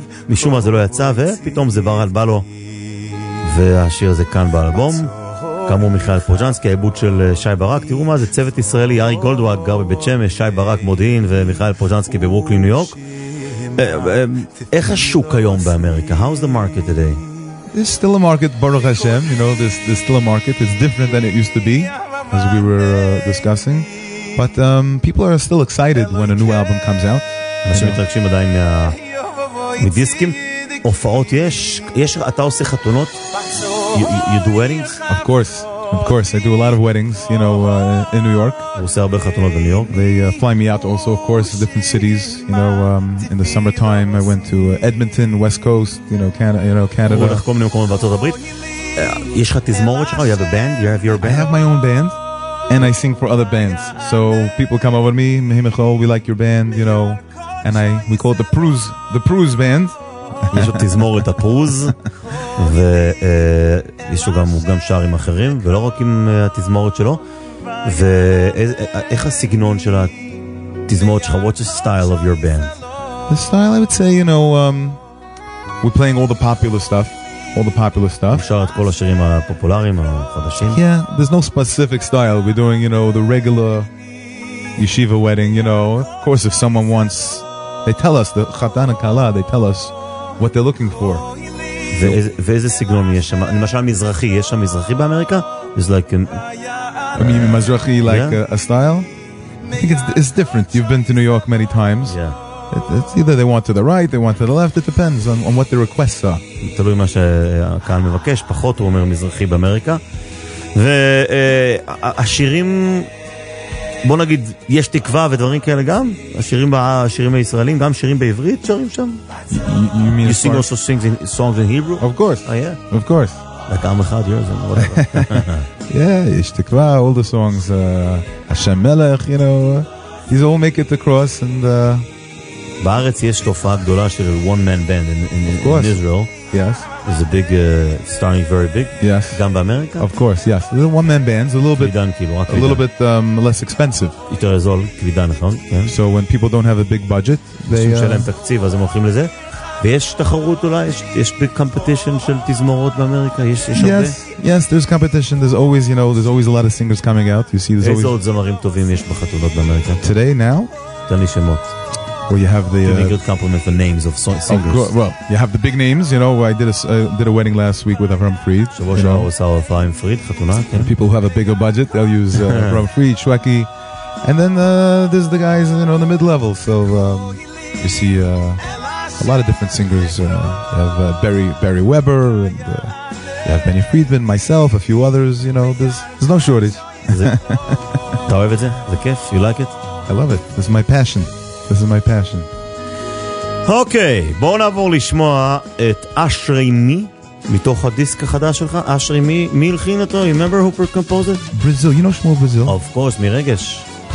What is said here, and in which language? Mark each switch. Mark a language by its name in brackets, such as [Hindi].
[Hebrew] משום מה זה לא יצא, ופתאום זה ברל בא לו. והשיר הזה כאן באלבום. כאמור מיכאל פרוז'נסקי, העיבוד של שי ברק. תראו מה זה, צוות ישראלי, ארי גולדברג גר בבית שמש, שי ברק מודיעין, ומיכאל פרוז'נסקי בברוקלין, ניו יורק. איך השוק היום באמריקה? [English] How's the market today? There's still a market, Baruch Hashem. You know, there's still a market. It's different than it used to be, as we were discussing. But people are still excited when a new album comes out. [Hebrew] אנשים מתרגשים עדיין מדיסקים. הופעות יש? יש, אתה עושה חתונות? [English] You do weddings? Of course. Of course. I do a lot of weddings, you know, in New York. [Hebrew] הוא עושה הרבה חתונות בניו יורק. [English] They fly me out also, of course, to different cities. You know, in the summertime, I went to Edmonton, West Coast, you know, Canada. [Hebrew] הוא הולך כל מיני מקומות בארצות הברית. יש לך תזמורת שלך? [English] You have a band? You have your band? I have my own band, and I sing for other bands. So people come over to me, Mehimichol, we like your band, you know. And we call it the Pruz band. [Hebrew] יש לו תזמורת הפרוז, ויש לו גם שערים אחרים, ולא רק עם התזמורת שלו. ואיך הסגנון של התזמורת שלך? [English] What's the style of your band? The style, I would say, you know, we're playing all the popular stuff. All the popular stuff. [Hebrew] הוא שר את כל השירים הפופולריים, החדשים. [English] Yeah, there's no specific style. We're doing, you know, the regular yeshiva wedding, you know. Of course, if someone wants, they tell us, the chatan and kala, they tell us, what they're looking for. [Hebrew] ואיזה סגנון יש שם? למשל מזרחי, יש שם מזרחי באמריקה? [English] It's like... I mean, מזרחי like a style? I think it's different. You've been to New York many times. Yeah. It's either they want to the right, they want to the left. It depends on what the requests are. [Hebrew] תלוי מה שהקהל מבקש. פחות הוא אומר מזרחי באמריקה. והשירים... בוא נגיד, יש תקווה ודברים כאלה גם? השירים הישראלים, גם שירים בעברית שרים שם? [English] You mean you sing also songs in Hebrew? Of course. Oh, yeah? Of course. Like, I'm a chad, you're a whatever. Yeah, יש תקווה, all the songs, Hashem Melech, you know. these all make it across. And [Hebrew] בארץ יש תופעה גדולה של [English] one man band in Israel. Yes. It's a big, starting very big. Yes. [Hebrew] גם באמריקה? [English] Of course, yes. The one man bands, a little bit less expensive. [Hebrew] יותר זול, כבידה, נכון? [English] So when people don't have a big budget, they... [Hebrew] משום שלהם תקציב, אז הם הולכים לזה. ויש תחרות אולי, יש [English] big competition [Hebrew] של תזמורות באמריקה, יש הרבה? [English] Yes, yes, there's competition. There's always, you know, there's always a lot of singers coming out. You see, there's always... [Hebrew] איזה עוד זמרים טובים יש בחתונות באמריקה? [English] Today, now? [Hebrew] תן לי שמות. [English] Well, you have the good compliment for names of singers. Oh, well, you have the big names, you know. I did a wedding last week with Avram Fried. People who have a bigger budget, they'll use Avram Fried, Shweki, and then there's the guys, you know, in the mid level. So you see a lot of different singers. You have Barry Weber, and you have Benny Friedman, myself, a few others. You know, there's no shortage. Do you like it? You like it? I love it. This is my passion. This is my passion. [Hebrew] Okay, בוא נעבור לשמוע את אשרי מי מתוך הדיסק החדש שלך. אשרי מי, מי הלחין אותו? [English] You remember who composed it? Brazil, you know Shmuel Brazil? Of course, מרגש.